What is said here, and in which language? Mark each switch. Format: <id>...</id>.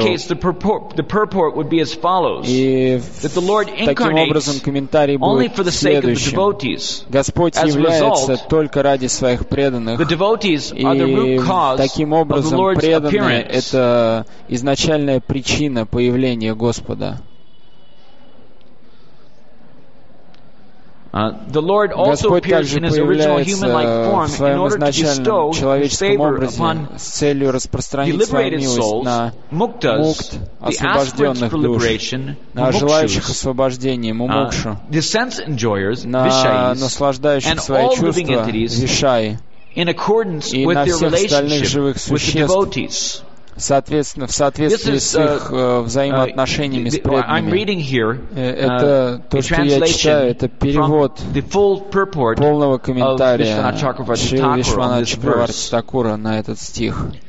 <ru>И таким образом комментарий будет следующим. Господь является только ради своих преданных. И таким образом преданные — это изначальная причина появления Господа.</ru> <en>The Lord also appears in his original human-like form in order to bestow favor upon the liberated souls, muktas, the aspirants for liberation,</en> <ru>на желающих освобождения, мукшу,</ru> <en>the sense enjoyers, vishayis, and all living entities, in accordance with their relationship with the devotees.</en> <ru>Соответственно, в соответствии с их взаимоотношениями с преданными. Это то, что я читаю, это перевод полного комментария Шрилы Вишванатха Чакраварти Такура на этот стих.</ru>